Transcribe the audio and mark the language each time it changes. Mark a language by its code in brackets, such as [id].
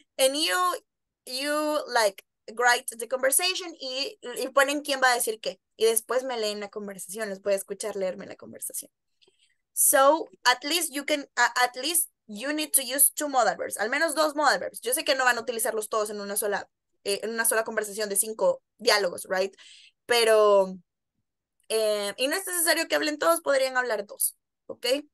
[en] And you like write the conversation [es] y ponen quién va a decir qué. Y después me leen la conversación, les voy a escuchar leerme la conversación. [en] So, at least you can, at least you need to use two modal verbs, [es] al menos dos modal verbs. Yo sé que no van a utilizarlos todos en una sola conversación de cinco diálogos, right? Pero, y no es necesario que hablen todos, podrían hablar dos, ¿ok?